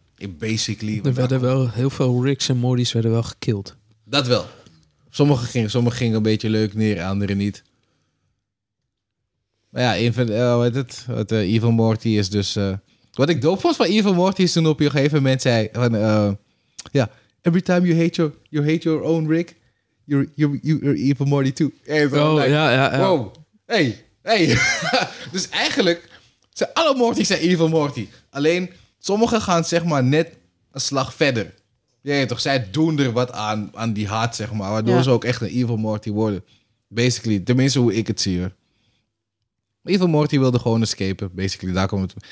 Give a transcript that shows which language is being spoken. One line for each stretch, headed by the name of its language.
English: Basically.
Dutch: Er werden wel heel veel Ricks en Mortys werden wel gekild. Dat wel. Sommigen gingen een beetje leuk neer, anderen niet. Maar ja, Evil Morty is dus... wat ik dope vond van Evil Morty is toen op een gegeven moment zei...
English: van, every time you hate your own Rick, you're Evil Morty too. Wow.
Dutch: Hey. Dus eigenlijk... Alle Morty's zijn Evil Morty. Alleen, sommigen gaan zeg maar net een slag verder. Jeetje, toch? Zij doen er wat aan die haat, zeg maar. Waardoor ze ook echt een Evil Morty worden. Basically, tenminste hoe ik het zie, hoor. Evil Morty wilde gewoon escapen, basically. Daar komt het.